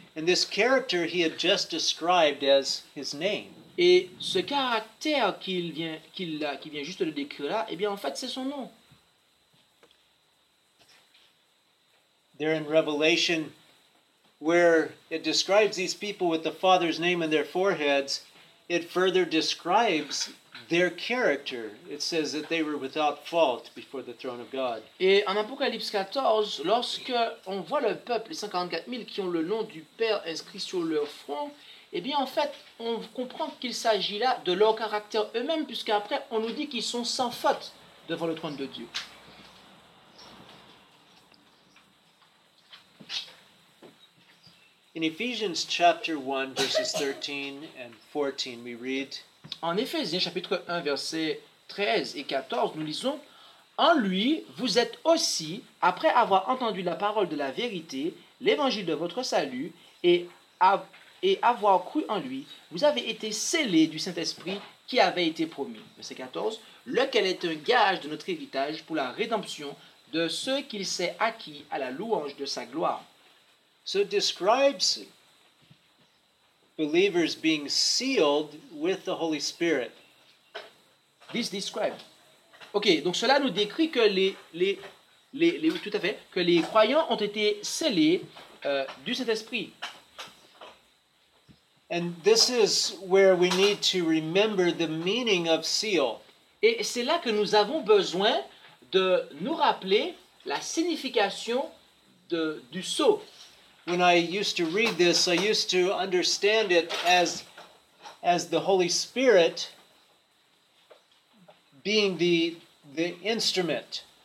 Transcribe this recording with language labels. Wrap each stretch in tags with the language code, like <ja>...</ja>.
<en>And this character he had just described as his name.</en> <fr>Et ce caractère qu'il vient juste de décrire là, eh bien en fait c'est son nom.</fr> <en>There in Revelation, where it describes these people with the Father's name in their foreheads, it further describes their character. It says that they were without fault before the throne of God.</en> <fr>Et en Apocalypse 14, lorsque on voit le peuple, les 144 000 qui ont le nom du Père inscrit sur leur front, eh bien en fait, on comprend qu'il s'agit là de leur caractère eux-mêmes, puisqu'après on nous dit qu'ils sont sans faute devant le trône de Dieu.</fr> <en>In Ephesians chapter 1, verses 13 and 14, we read.</en> <fr>En Éphésiens chapitre 1, versets 13 et 14, nous lisons « En lui, vous êtes aussi, après avoir entendu la parole de la vérité, l'évangile de votre salut, et avoir cru en lui, vous avez été scellés du Saint-Esprit qui avait été promis. » Verset 14 « Lequel est un gage de notre héritage pour la rédemption de ce qu'il s'est acquis à la louange de sa gloire. »</fr> <en>So describes believers being sealed with the Holy Spirit. This describes.</en> <fr>Okay, donc cela nous décrit que les croyants ont été scellés du Saint-Esprit.</fr> <en>And this is where we need to remember the meaning of seal.</en> <fr>Et c'est là que nous avons besoin de nous rappeler la signification du sceau.</fr> <en>When I used to read this, I used to understand it as the Holy Spirit being the instrument.</en>